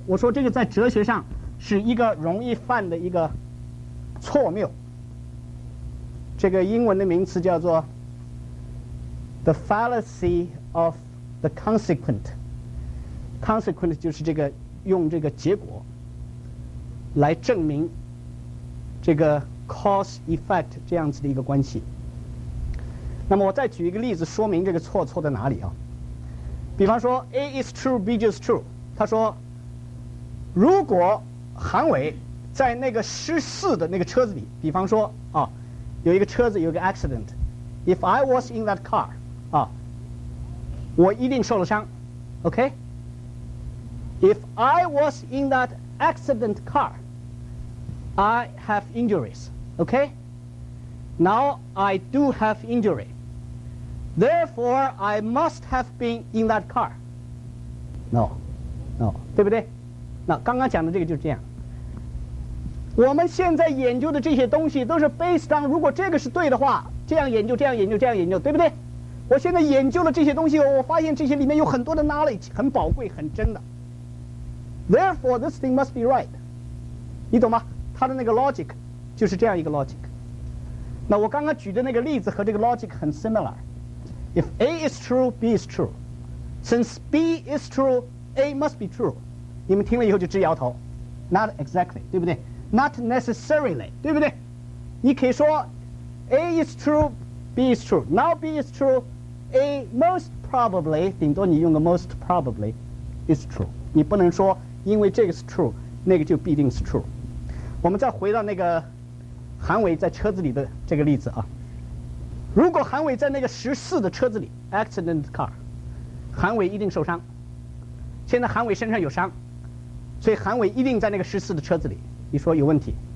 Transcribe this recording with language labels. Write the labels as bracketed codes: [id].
[zh] 我说这个在哲学上是一个容易犯的一个错谬，这个英文的名词叫做 [en] The fallacy of the consequent。 [zh] Consequent 就是这个用这个结果来证明这个 cause effect 这样子的一个关系。那么我再举一个例子说明这个错在哪里啊。比方说 [en] A is true, B is true。 [zh] 他说如果韩伟在那个失事的那个车子里，比方说啊，有一个车子有个 accident， [en] If I was in that car [zh] 啊，我一定受了伤。 [en] OK， If I was in that accident car I have injuries。 OK， Now I do have injury， Therefore I must have been in that car。 [zh] No， 对不对？那刚刚讲的这个就是这样。我们现在研究的这些东西都是 based on， 如果这个是对的话，这样研究，这样研究，这样研究，对不对？我现在研究了这些东西，我发现这些里面有很多的 knowledge， 很宝贵，很真的。 [en] Therefore, this thing must be right。 [zh] 你懂吗？它的那个 logic 就是这样一个 logic。那我刚刚举的那个例子和这个 logic 很 similar。 [en] If A is true, B is true。 Since B is true, A must be true。 [zh] 你们听了以后就直摇头， [en] Not exactly, [zh] 对不对？ [en] Not necessarily, [zh] 对不对？ [en] 你可以说 A is true,B is true. Now B is true. A most probably, [zh] 顶多你用个 [en] most probably is true. [zh] 你不能说因为这个是 true, 那个就必定是 true. 我们再回到那个韩伟在车子里的这个例子啊。如果韩伟在那个十四的车子里 accident car, 韩伟一定受伤。现在韩伟身上有伤，所以韩伟一定在那个十四的车子里，你说有问题。